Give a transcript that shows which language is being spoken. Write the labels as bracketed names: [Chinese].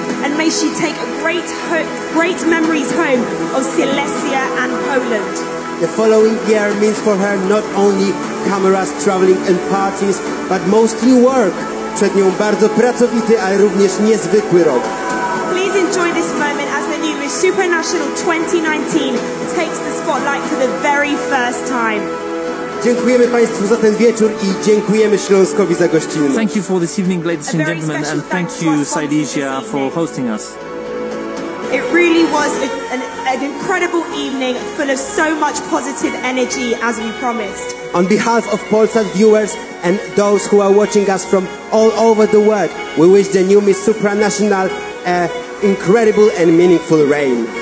[English] And may she take great memories home of Silesia and Poland. The following year means for her not only cameras, traveling and parties, but mostly work. [Polish] Przed nią bardzo pracowity, ale również niezwykły rok. [English] Please enjoy this moment as the new Miss Supranational 2019 takes the spotlight for the very first time. [Polish] Dziękujemy Państwu za ten wieczór I dziękujemy Śląskowi za gościnność. [English] Thank you for this evening, ladies and gentlemen, and thank you, Silesia, for hosting us. It really was an incredible evening, full of so much positive energy, as we promised. On behalf of Polsat viewers and those who are watching us from all over the world, we wish the new Miss Supranational an incredible and meaningful reign.